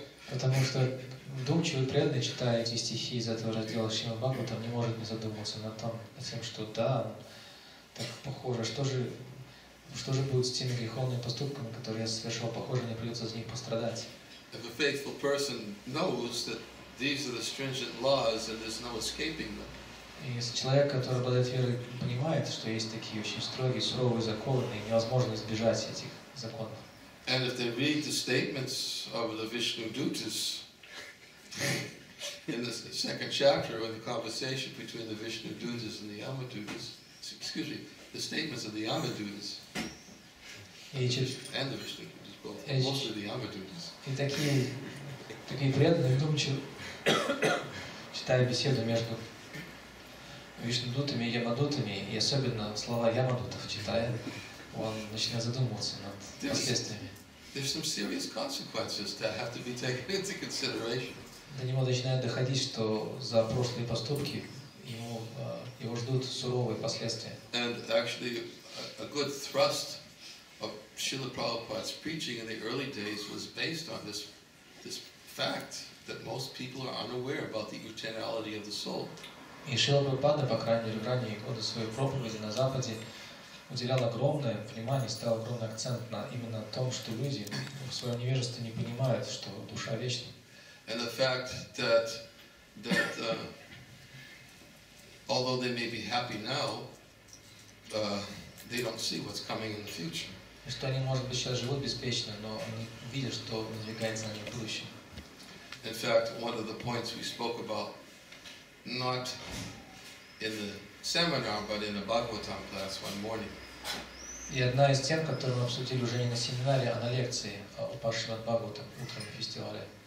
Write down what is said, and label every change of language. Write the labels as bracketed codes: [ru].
[ru] Потому что вдумчивый преданный, читая эти стихи из этого раздела Шримад Бхагаватам, не может не задуматься над тем, что да, так похоже, что же будет с теми греховными поступками, которые я совершил, похоже, мне придется за них пострадать. [en] If a faithful person knows that these are the stringent laws and there's no escaping them. [ru] Если человек, который обладает верой, понимает, что есть такие очень строгие, суровые законы, и невозможно избежать этих законов. [en] And if they read the statements of the Vishnu Dutas in the second chapter of the conversation between the Vishnu Dutas and the Yama Dutas, excuse me, the statements of the Yama Dutas and the Vishnu Dutas, both, mostly the Yama Dutas. [ru] И такие преданные, читая беседу между Вишнудутами и Ямадутами, и особенно слова Ямадутов читая, он начинает задумываться над последствиями. [en] There's some serious consequences that have to be taken into consideration. [ru] До него начинает доходить, что за прошлые поступки его ждут суровые последствия. [en] And actually, a good thrust of Srila Prabhupada's preaching in the early days was based on this fact that most people are unaware about the eternality of the soul. [ru] И Шрила Прабхупада, по крайней мере, в ранние годы своей проповеди на Западе уделял огромное внимание, ставил огромный акцент на именно том, что люди в своем невежестве не понимают, что душа вечна. [en] And the fact that although they may be happy now, they don't see what's coming in the future. [ru] И что они, может быть, сейчас живут беспечно, но они видят, что надвигается на них будущее. [en] In fact, one of the points we spoke about not in the seminar, but in the Bhagavatam class one morning. [ru] И одна из тем, которую мы обсудили уже не на семинаре, а на лекции у Пашимат Бхагаватам утром на фестивале.